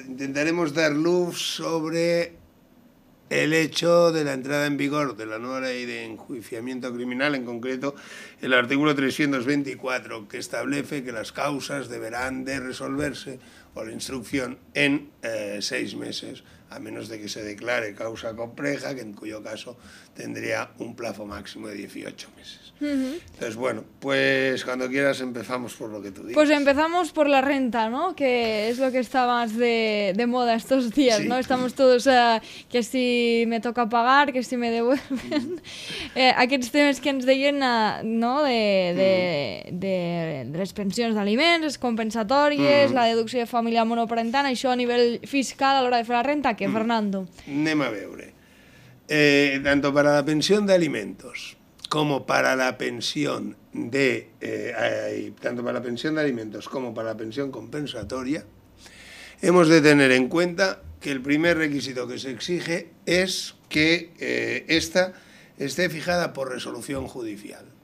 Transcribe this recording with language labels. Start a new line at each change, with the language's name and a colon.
Spanish: Intentaremos dar luz sobre el hecho de la entrada en vigor de la nueva ley de enjuiciamiento criminal, en concreto el artículo 324, que establece que las causas deberán de resolverse, o la instrucción, en 6 meses, a menos de que se declare causa compleja, que en cuyo caso tendría un plazo máximo de 18 meses. Entonces, bueno, pues cuando quieras empezamos por lo que tú dices. Pues empezamos por la renta, ¿no? Que es lo que está más de moda estos días, sí, ¿no? Estamos todos que si me toca pagar, que si me devuelven.
Catalan: Aquests temes que ens deien, ¿no? De les pensions d'aliments, compensatòries, la deducció de família monoparental, això a nivell fiscal a l'hora de fer la renta, ¿què, Fernando? Anem a veure.
Spanish: Tanto para la pensión de alimentos como para la pensión de tanto para la pensión de alimentos como para la pensión compensatoria, hemos de tener en cuenta que el primer requisito que se exige es que esta esté fijada por resolución judicial.